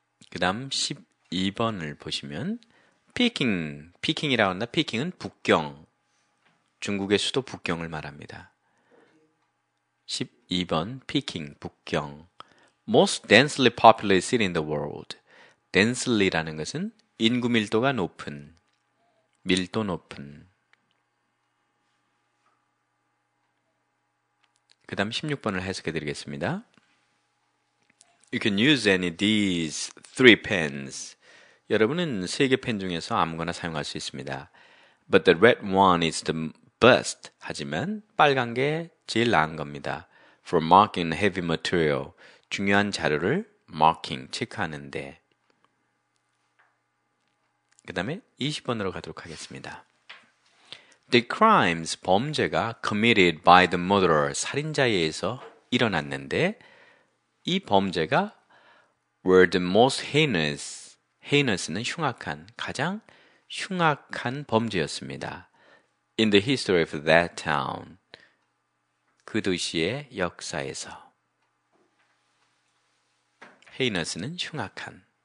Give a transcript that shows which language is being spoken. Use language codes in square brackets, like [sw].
[ko] 그 다음 12번을 보시면 Peking, Peking이라고 한다. Peking은 북경, 중국의 수도 북경을 말합니다. 12번 Peking, 북경. [en] Most densely populated city in the world. [ko] Densely라는 것은 인구 밀도가 높은, 밀도 높은. 그 다음 16번을 해석해 드리겠습니다. [en] You can use any of these three pens. [ko] 여러분은 세 개 펜 중에서 아무거나 사용할 수 있습니다. [en] But the red one is the best. [ko] 하지만 빨간 게 제일 나은 겁니다. [en] For marking heavy material. [ko] 중요한 자료를 marking, 체크하는데. 그 다음에 20번으로 가도록 하겠습니다. [en] The crimes, [ko] 범죄가 [en] committed by the murderer, [ko] 살인자에 의해서 일어났는데 이 범죄가 [en] were the most heinous. [ko] heinous는 흉악한, 가장 흉악한 범죄였습니다. [en] In the history of that town. [ko] 그 도시의 역사에서. heinous는 흉악한.